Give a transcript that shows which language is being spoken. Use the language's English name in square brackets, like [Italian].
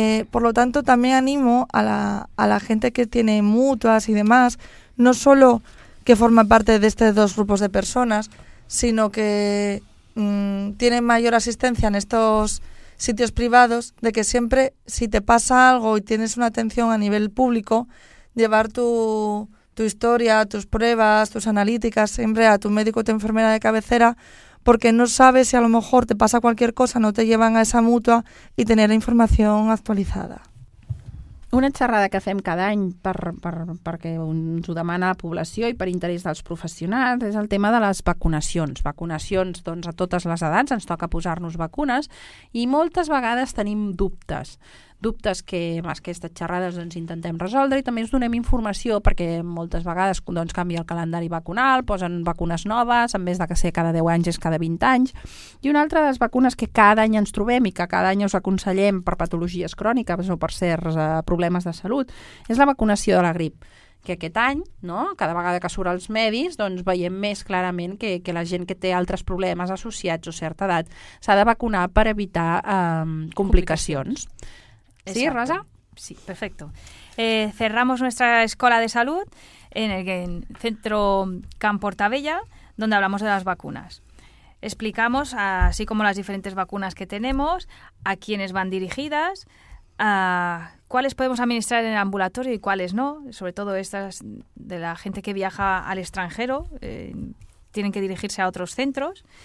[Spanish] Por lo tanto, también animo a la gente que tiene mutuas y demás, no solo que forma parte de estos dos grupos de personas, sino que tiene mayor asistencia en estos sitios privados, de que siempre, si te pasa algo y tienes una atención a nivel público, llevar tu historia, tus pruebas, tus analíticas, siempre a tu médico o tu enfermera de cabecera, porque no sabes si a lo mejor te pasa cualquier cosa, no te llevan a esa mutua, y tener la información actualizada. [Catalan] Una xerrada que fem cada any perquè ens ho demana la població i per interès dels professionals és el tema de les vacunacions. Vacunacions, doncs, a totes les edats ens toca posar-nos vacunes i moltes vegades tenim dubtes. Dubtes que amb aquestes xerrades doncs, intentem resoldre i també us donem informació perquè moltes vegades doncs, canvia el calendari vacunal, posen vacunes noves, [Spanish] en vez de que [Catalan] ser cada 10 anys és cada 20 anys. I una altra de les vacunes que cada any ens trobem i que cada any us aconsellem per patologies cròniques o per certs problemes de salut és la vacunació de la grip. Que aquest any, no? Cada vegada que surt als medis, doncs veiem més clarament que la gent que té altres problemes associats o certa edat s'ha de vacunar per evitar complicacions. [Spanish] Exacto. ¿Sí, Rosa? Sí, perfecto. Cerramos nuestra escuela de salud en el centro Camp Portabella, donde hablamos de las vacunas. Explicamos, así como las diferentes vacunas que tenemos, a quiénes van dirigidas, a cuáles podemos administrar en el ambulatorio y cuáles no, sobre todo estas de la gente que viaja al extranjero, tienen que dirigirse a otros centros.